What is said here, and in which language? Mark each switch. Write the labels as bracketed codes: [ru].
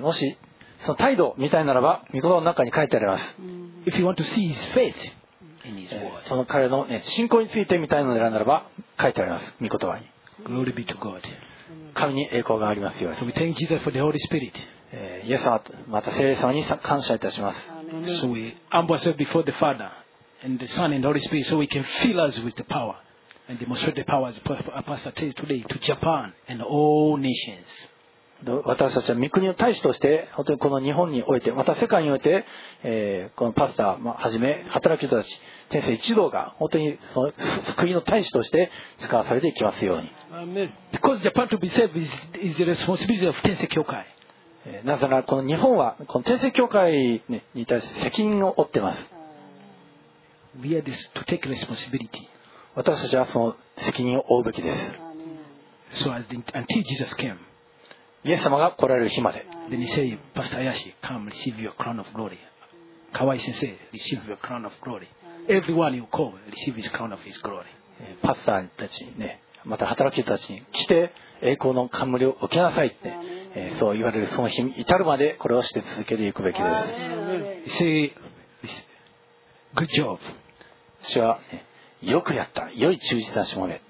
[ja] もしその態度みたいならば、御言葉の中に書いてあります。 [en] If you want to see his faith in his word. [ja] その彼の、ね、信仰についてみたいのであるならば、書いてあります。御言葉に。 [en] Glory be to God. [ja] 神に栄光がありますように。 [en] So we thank Jesus for the Holy Spirit. [ja] イエス様、また聖霊様に感謝いたします。 [en] So we humble ourselves before the Father and the Son and the Holy Spirit, so we can fill us with the power and demonstrate the power as Pastor says today to Japan and all nations. [ja] 私たちは御国の大使として、本当にこの日本において、また世界において、このパスターをはじめ働く人たち、天聖一同が本当にその救いの大使として使わされていきますように。 [en] Amen. Because Japan to be saved is the responsibility of 天聖教会。 [ja] なぜならこの日本はこの天聖教会に対して責任を負ってます。 [en] We are this to take responsibility. [ja] 私たちはその責任を負うべきです。 [en] So as the, until Jesus came, [ja] イエス様が来られる日まで。 [en] Then he said, Pastor Ayashi, come receive your crown of glory. 河合先生、receive your crown of glory. Everyone you call, receive his crown of his glory. [ja] パスターたちにね、また働き人たちに来て栄光の冠を受けなさいって。そう言われるその日に至るまでこれをして続けていくべきです。 [en] See, good job. [ja] 私は、ね、よくやった、良い忠実なしもべ。